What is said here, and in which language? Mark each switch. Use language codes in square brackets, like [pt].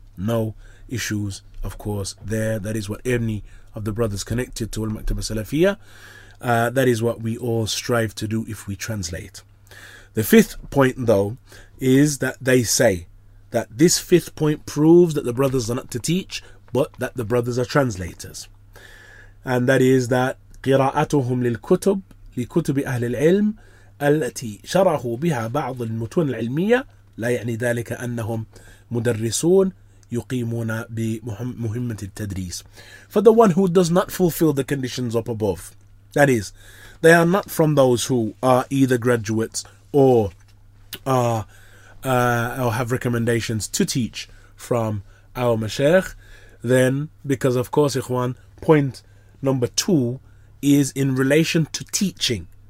[en] No issues, of course, there. That is what any of the brothers connected to Al-Maktaba Salafiyya, that is what we all strive to do if we translate. The fifth point, though, is that they say that this fifth point proves that the brothers are not to teach, but that the brothers are translators. And that is that [ar] قِرَاءَتُهُمْ لِلْكُتُبْ لِكُتُبِ أَهْلِ الْعِلْمِ الَّتِي شَرَحُوا بِهَا بَعْضُ الْمُتُونَ الْعِلْمِيَّةِ لا يعني ذلك أنهم مدرسون يقيمون بمهمة التدريس. [en] For the one who does not fulfill the conditions up above, that is, they are not from those who are either graduates or have recommendations to teach from our mashaykh, then, because of course, ikhwan, point number 2 is in relation to teaching.